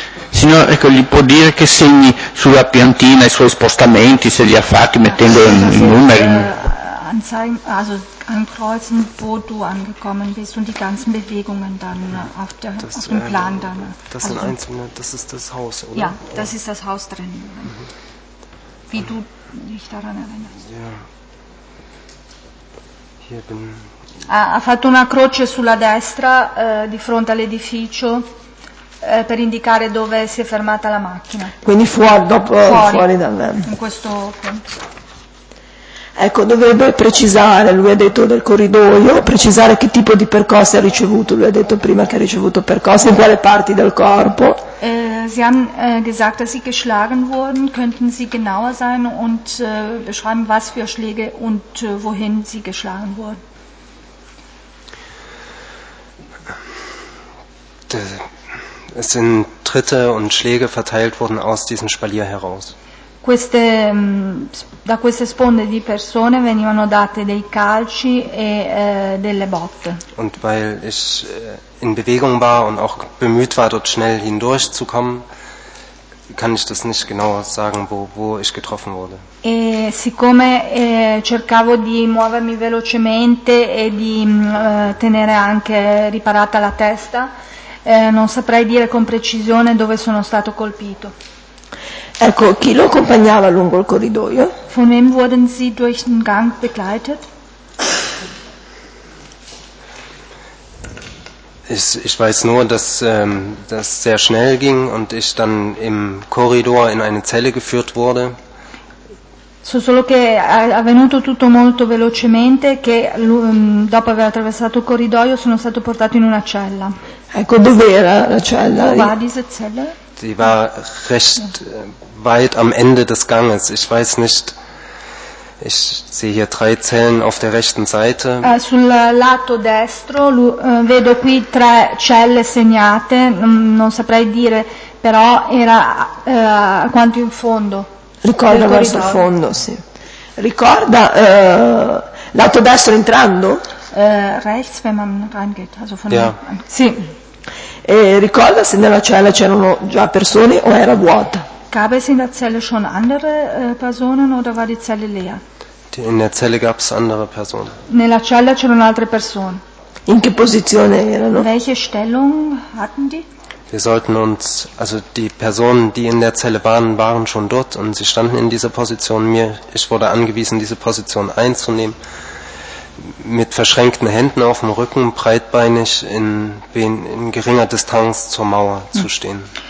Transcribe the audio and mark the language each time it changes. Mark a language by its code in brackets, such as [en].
[it] Signore, ecco, gli può dire che segni sulla piantina i suoi spostamenti, se li ha fatti mettendo i numeri? [de] Anzeigen, also ankreuzen, wo du angekommen bist und die ganzen Bewegungen dann auf dem Plan dann. Das sind einzelne, das ist das Haus, oder? Ja, das ist das Haus drin. Mhm. Wie du dich daran erinnerst. Ja. Hier bin. [it] Ha fatto una croce sulla destra di fronte all'edificio per indicare dove si è fermata la macchina. Quindi fuori dal. In questo punto. Ecco, dovrebbe precisare, lui ha detto del corridoio, precisare che tipo di percosse ha ricevuto, lui ha detto prima che ha ricevuto percosse, in quale parti del corpo. [de] Sie haben gesagt, dass Sie geschlagen wurden, könnten Sie genauer sein und beschreiben, was für Schläge und wohin Sie geschlagen wurden? Es sind Tritte und Schläge verteilt worden aus diesem Spalier heraus. [it] Da queste sponde di persone venivano date dei calci e delle botte. [de] Und weil ich in Bewegung war und auch bemüht war, dort schnell hindurchzukommen, kann ich das nicht genau sagen, wo ich getroffen wurde. [it] E siccome cercavo di muovermi velocemente e di tenere anche riparata la testa, non saprei dire con precisione dove sono stato colpito. Ecco, chi lo accompagnava lungo il corridoio? [de] Von wem wurden Sie durch den Gang begleitet? Ich weiß nur, dass das sehr schnell ging und ich dann im Korridor in eine Zelle geführt wurde. [it] So solo che è avvenuto tutto molto velocemente, che dopo aver attraversato il corridoio sono stato portato in una cella. Ecco, dov'era la cella? [de] Wo war diese Zelle? Die war recht weit am Ende des Ganges. Ich weiß nicht, ich sehe hier drei Zellen auf der rechten Seite. [it] Sul lato destro vedo qui tre celle segnate, non saprei dire, però era quanto in fondo. Ricorda verso il fondo, sì. Ricorda lato destro entrando? [de] Rechts, wenn man reingeht. Also von ja. [it] Sì. E ricorda se nella cella c'erano già persone o era vuota? [de] Gab es in der Zelle schon andere Personen oder war die Zelle leer? In der Zelle gab es andere Personen. [it] Nella cella c'erano altre persone. In che posizione erano? [de] Welche Stellung hatten die? Wir sollten uns, also die Personen, die in der Zelle waren, waren schon dort und sie standen in dieser Position. Ich wurde angewiesen, diese Position einzunehmen. Mit verschränkten Händen auf dem Rücken, breitbeinig, in geringer Distanz zur Mauer zu stehen.